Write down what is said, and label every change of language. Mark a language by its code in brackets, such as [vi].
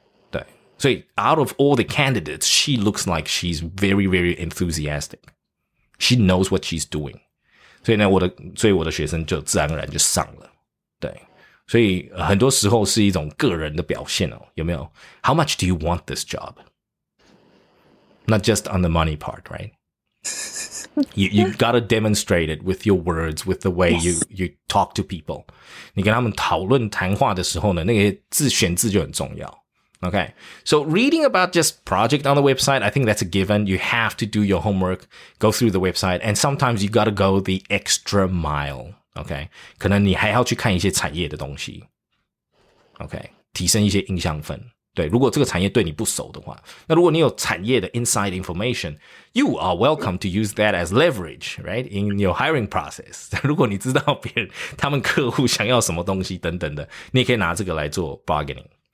[zh] 对所以 [en] out of all the candidates she looks like she's very very enthusiastic she knows what she's doing [zh] 所以呢我的学生就自然而然就上了对所以很多时候是一种个人的表现哦，有没有 [en] how much do you want this job not just on the money part right You've got to demonstrate it with your words, with the way、 yes. you talk to people. [zh] 你跟他们讨论谈话的时候呢，那些自选字就很重要。 [en] Okay, so reading about just project on the website, I think that's a given. You have to do your homework, go through the website, and sometimes you've got to go the extra mile. [zh] Okay, 可能你还要去看一些产业的东西。Okay, 提升一些印象分。对，如果这个产业对你不熟的话，那如果你有产业的 inside information, [en] you are welcome to use that as leverage, right, in your hiring process. [zh] 如果你知道别人他们客户想要什么东西等等的，你也可以拿这个来做 bargaining.